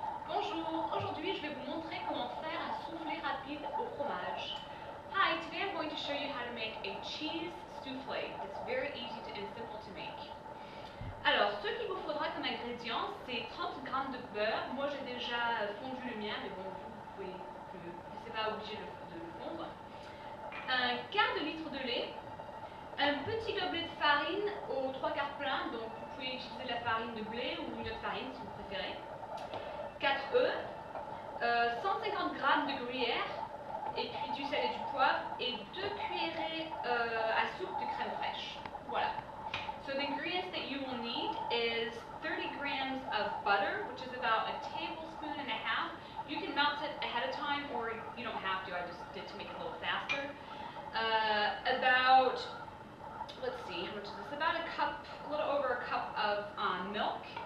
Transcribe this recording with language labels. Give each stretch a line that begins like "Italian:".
French: Aujourd'hui, je vais vous montrer comment faire un soufflé rapide au fromage.
English: Hi, today I'm going to show you how to make a cheese soufflé. It's very easy and simple to make.
French: Alors, ce qu'il vous faudra comme ingrédients, c'est 30 g de beurre. Moi, j'ai déjà fondu le mien, mais bon, vous pouvez, c'est pas obligé de le fondre. Un quart de litre de lait. Un petit gobelet de farine aux 3/4 pleins. Donc, vous pouvez utiliser de la farine de blé ou une autre farine si vous préférez. 4 œufs, 150 g de gruyère, et puis du sel et du poivre, et 2 cuillerées à soupe de crème fraîche. Voilà.
English: So the ingredients that you will need is 30 g of butter, which is about a tablespoon and a half. You can melt it ahead of time, or you don't have to, I just did to make it a little faster. About, let's see, how much is this? About a cup, a little over a cup of milk.